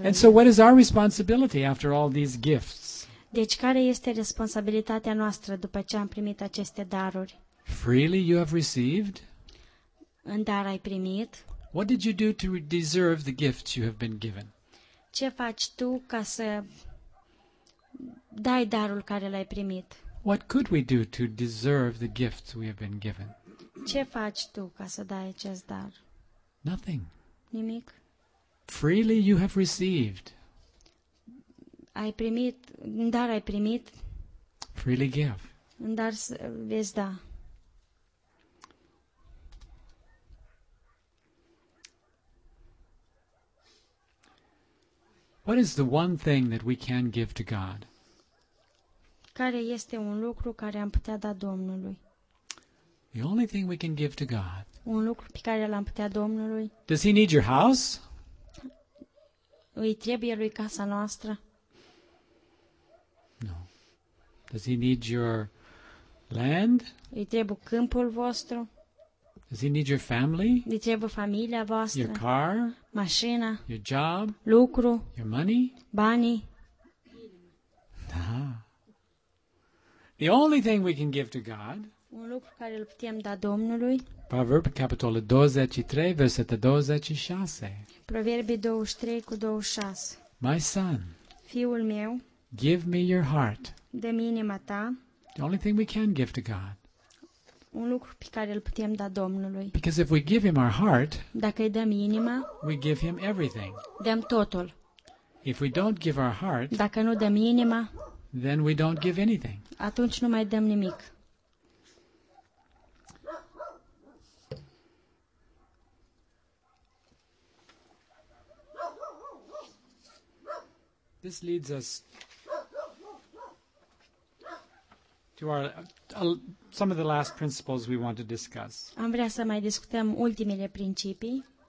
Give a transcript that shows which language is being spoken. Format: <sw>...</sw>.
<ro>el.</ro> <en>And so what is our responsibility after all these gifts?</en> <ro>Deci care este responsabilitatea noastră după ce am primit aceste daruri?</ro> <en>Freely you have received?</en> <ro>În dar ai primit?</ro> <en>What did you do to deserve the gifts you have been given?</en> <ro>Ce faci tu ca să dai darul care l-ai primit?</ro> <en>What could we do to deserve the gifts we have been given?</en> <ro>Ce faci tu ca să dai acest dar?</ro> <en>Nothing.</en> <ro>Nimic.</ro> <en>Freely you have received.</en> <ro>Ai primit, în dar ai primit.</ro> <en>Freely give.</en> <ro>În dar vezi da.</ro> <en>What is the one thing that we can give to God?</en> <ro>Care este un lucru care am putea da Domnului?</ro> <en>The only thing we can give to God.</en> <ro>Un lucru pe care l-am putea Domnului.</ro> <en>Does he need your house?</en> <ro>Îi trebuie lui casa noastră?</ro> <en>No. Does he need your land?</en> <ro>Îi trebuie câmpul vostru?</ro> <en>Does he need your family?</en> <ro>Îi trebuie familia voastră?</ro> <en>Your car?</en> <ro>Mașina?</ro> <en>Your job?</en> <ro>Lucru?</ro> <en>Your money?</en> <ro>Banii? Da.</ro> <en>The only thing we can give to God.</en> <ro>Un lucru care îl putem da Domnului. Proverbe capitolul 23, versetul 26. Proverbe 23 cu 26.</ro> <en>My son.</en> <ro>Fiul meu.</ro> <en>Give me your heart.</en> <ro>Dă-mi inima ta.</ro> <en>The only thing we can give to God.</en> <ro>Un lucru pe care îl putem da Domnului.</ro> <en>Because if we give him our heart,</en> <ro>dacă îi dăm inima,</ro> <en>we give him everything.</en> <ro>Dăm totul.</ro> <en>If we don't give our heart,</en> <ro>dacă nu dăm inima,</ro> <en>then we don't give anything.</en> <ro>Atunci nu mai dăm nimic.</ro> <en>This leads us to our some of the last principles we want to discuss.</en> <ro>Am vrea să mai discutăm ultimele principii.</ro>